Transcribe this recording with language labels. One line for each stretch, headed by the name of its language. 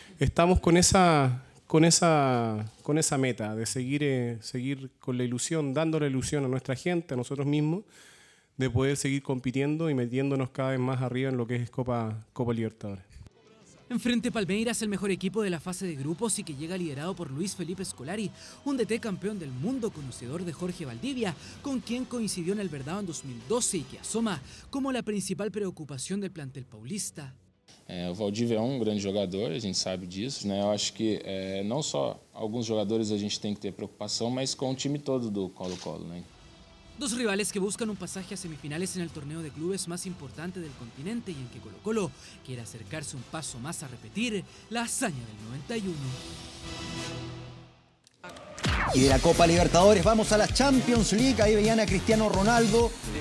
Spanish: Estamos con esa meta de seguir con la ilusión, dando la ilusión a nuestra gente, a nosotros mismos, de poder seguir compitiendo y metiéndonos cada vez más arriba en lo que es Copa Libertadores. Enfrente Palmeiras, el mejor equipo de la fase de grupos y que llega liderado por Luis Felipe Scolari, un DT campeón del mundo, conocedor de Jorge Valdivia, con quien coincidió en el Verdão en 2012 y que asoma como la principal preocupación del plantel paulista.
Portuguese: O Valdivia é um grande jogador, a gente sabe disso, né? Eu acho que não só alguns jogadores a gente tem que ter preocupação, mas com o time todo do Colo-Colo, né?
Spanish: Dos rivales que buscan un pasaje a semifinales en el torneo de clubes más importante del continente y en que Colo-Colo quiere acercarse un paso más a repetir la hazaña del 91. Y de la Copa Libertadores vamos a la Champions League. Ahí veían a Cristiano Ronaldo.